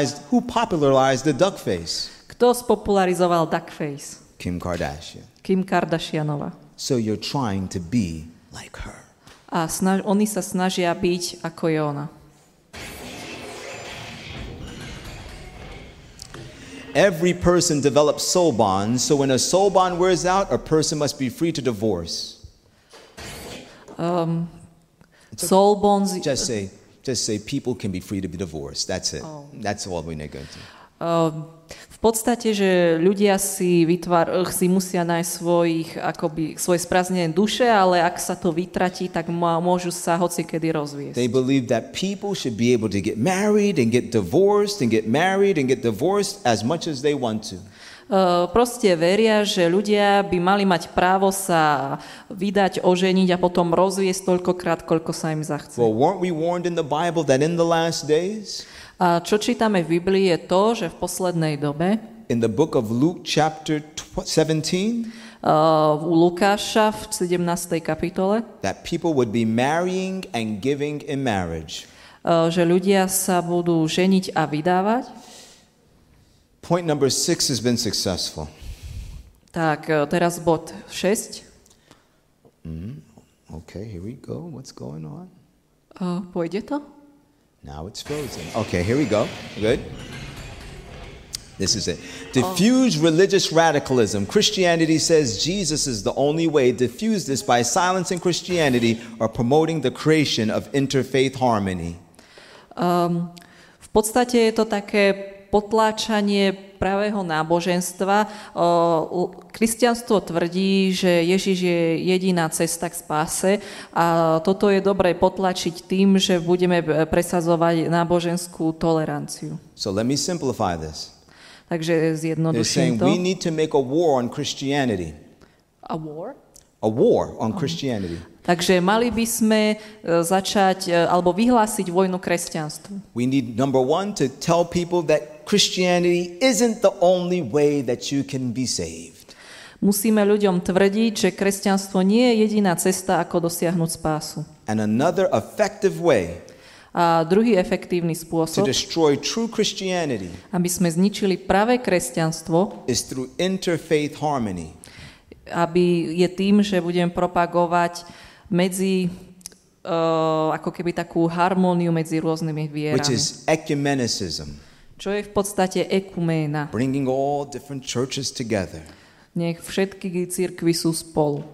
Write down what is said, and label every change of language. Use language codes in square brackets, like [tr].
[en] who popularized the duck face? [sk] Kto spopularizoval duck face? [en] Kim Kardashian. [sk] Kim Kardashianova. [en] So you're trying to be like her. [sk] A oni sa snažia byť ako je ona. [en] Every person develops soul bonds, so when a soul bond wears out, a person must be free to divorce. Soul bonds, just say people can be free to be divorced. That's it. Oh. That's all we're going to. [sk] V podstate, že ľudia si musia nájsť svojich, akoby, svoje sprázdnené duše, ale ak sa to vytratí, tak môžu sa hocikedy rozviesť. [en] They believe that people should be able to get married and get divorced and get married and get divorced as much as they want to. [sk] Proste veria, že ľudia by mali mať právo sa vydať, oženiť a potom rozviesť toľkokrát, koľko sa im zachce. [en] Well, weren't we warned in the Bible that in the last days? [sk] A čo čítame v Biblii je to, že v poslednej dobe [en] in the book of Luke chapter 17 [sk] u Lukáša v 17. kapitole [en] that people would be marrying and giving in marriage. [sk] Že ľudia sa budú ženiť a vydávať. [en] Point number 6 has been successful. [sk] Tak, teraz bod 6. [en] Okay, here we go. What's going on? [sk] Pôjde to? [en] Now it's frozen. Okay, here we go. Good. This is it. Diffuse religious radicalism. Christianity says Jesus is the only way. Diffuse this by silencing Christianity or promoting the creation of interfaith harmony. [sk] V podstate je to také potláčanie pravého náboženstva. Kresťanstvo tvrdí, že Ježiš je jediná cesta k spáse a toto je dobre potlačiť tým, že budeme presadzovať náboženskú toleranciu. [en] So let me simplify this. [sk] Takže zjednoduším to. [en] They're saying we need to make a war on Christianity. A war? A war on Christianity. [sk] Takže mali by sme začať alebo vyhlásiť vojnu kresťanstvu. [en] We need number one to tell people that Christianity isn't the only way that you can be saved. [sk] Musíme ľuďom tvrdiť, že kresťanstvo nie je jediná cesta, ako dosiahnuť spásu. [en] And another effective way. [sk] A druhý efektívny spôsob. [en] To destroy true Christianity. [sk] Aby sme zničili pravé kresťanstvo. [en] Is through interfaith harmony. [sk] Aby je tým, že budem propagovať medzi ako keby takú harmóniu medzi rôznymi vierami. [en] Which is ecumenism. [sk] Čo je v podstate ekuména. [en] Bringing all different churches together. [sk] Nech všetky cirkvi sú spolu.